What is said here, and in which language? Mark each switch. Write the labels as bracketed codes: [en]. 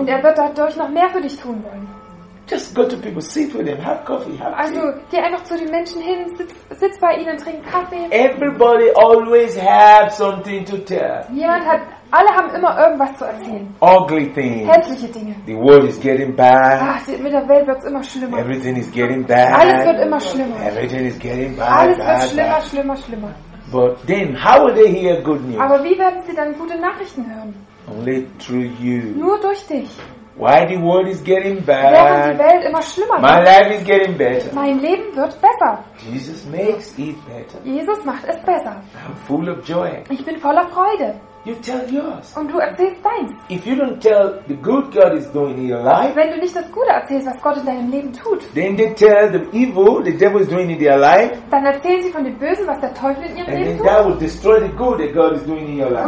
[de] und er wird dadurch noch mehr für dich tun wollen. [en] Just go to people, sit with them, have coffee, have tea. [de] Also geh einfach zu den Menschen hin, sitz bei ihnen, trink Kaffee. [en] Everybody always have something to tell. [de] Alle haben immer irgendwas zu erzählen. [en] Ugly things. [de] Hässliche Dinge. [en] The world is getting bad. [de] Ach, mit der Welt wird es immer schlimmer. [en] Everything is getting bad. [de] Alles wird immer schlimmer. [en] Everything is getting bad. [de] Alles wird schlimmer. [en] But then, how will they hear good news? [de] Aber wie werden sie dann gute Nachrichten hören? [en] Only through you. [de] Nur durch dich. [en] Why the world is getting bad? [de] Während die Welt immer schlimmer wird. [en] My life is getting better. [de] Mein Leben wird besser. [en] Jesus makes it better. [de] Jesus macht es besser. [en] I'm full of joy. [de] Ich bin voller Freude. [en] You tell yours. [de] Und du erzählst deins. [en] If you don't tell the good God is doing in your life, [de] wenn du nicht das Gute erzählst, was Gott in deinem Leben tut, [en] then they tell the evil, the devil is doing in their life. [de] Dann erzählen sie von dem Bösen, was der Teufel in ihrem [en] and [de] Leben tut. [en] And that will destroy the good that God is doing in your life.